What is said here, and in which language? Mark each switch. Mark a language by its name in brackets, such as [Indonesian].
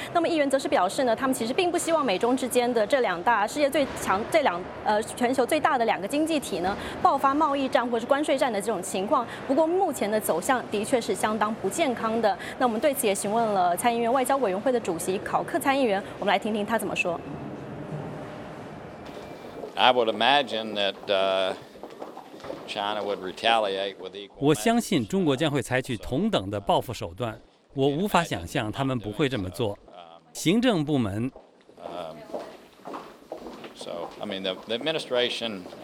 [Chinese] 那么议员则是表示呢，他们其实并不希望美中之间的全球最大的两个经济体呢爆发贸易战或是关税战的这种情况。不过目前的走向的确是相当不健康的。那我们对此也询问了参议院外交委员会的主席考克参议员，我们来听听他怎么说。 [English] I would imagine that China would retaliate with equal. [Chinese] 我相信中国将会采取同等的报复手段。我无法想象他们不会这么做。行政部门。 [English] So I mean the administration.